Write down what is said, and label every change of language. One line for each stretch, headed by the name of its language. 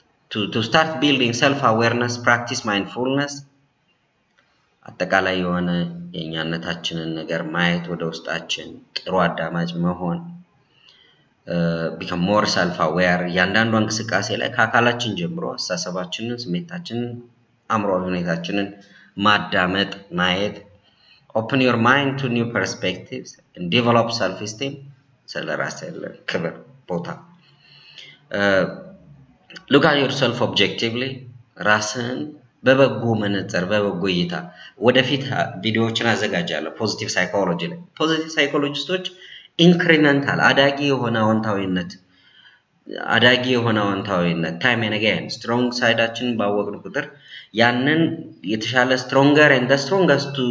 English: To start building self-awareness, practice mindfulness.
Amharic: አጠቃላይ የሆነ የኛነታችንን ነገር ማየት ወደ ውስጣችን ጥሩ አዳማጅ መሆን
English: become more self-aware.
Amharic: ያንዳንዱ እንቅስቃሴ ላይ ከአካላችን ጀምሮ አሳሰባችንን፣ ስሜታችንን፣ አእምሮአዊ ሁኔታችንን ማዳመጥ ማየት
English: open your mind to new perspectives and develop self-esteem.
Amharic: ስለራስህ ክብር ቦታ
English: look at yourself objectively.
Amharic: ራስን በበጎ መነጽር በበጎ እይታ ወደፊት ቪዲዮዎችን አዘጋጃለሁ ፖዚቲቭ ሳይኮሎጂ ላይ። ፖዚቲቭ ሳይኮሎጂስቶች ኢንክሪመንታል አዳጊ የሆነ አዎንታዊነት አዳጊ የሆነ አዎንታዊነት
English: ታይም ኤንድ አጌን
Amharic: ስትሮንግ ሳይዳችን ባወቅን ቁጥር ያንን የተሻለ
English: ስትሮንገር ኤንድ ዘ ስትሮንገስት